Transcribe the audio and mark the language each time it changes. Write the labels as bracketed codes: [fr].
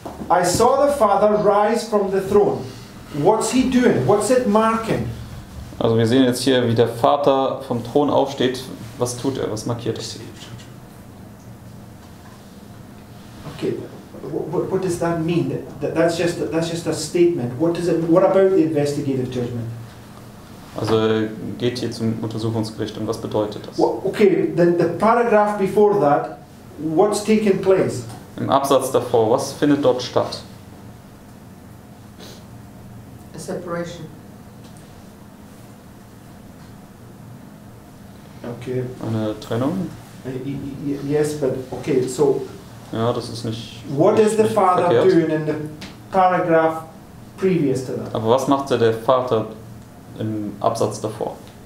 [en] I saw the Father rise from the throne. What's he doing? What's it marking? [de] Also wir sehen jetzt hier, wie der Vater vom Thron aufsteht. Was tut er? Was markiert er? [en] Okay. What does that mean? That's just a statement. What about the investigative judgment? [de] Also geht hier zum Untersuchungsgericht und was bedeutet das? [en] Well, okay, then the paragraph before that, what's taking place? [de] Im Absatz davor, was findet dort statt? [en] A separation. Okay. [de] Eine Trennung? [en] Yes, but okay, so. [de] Ja, das ist nicht. [en] What is the father doing in the paragraph previous to that? [de] Aber was macht der Vater im Absatz davor?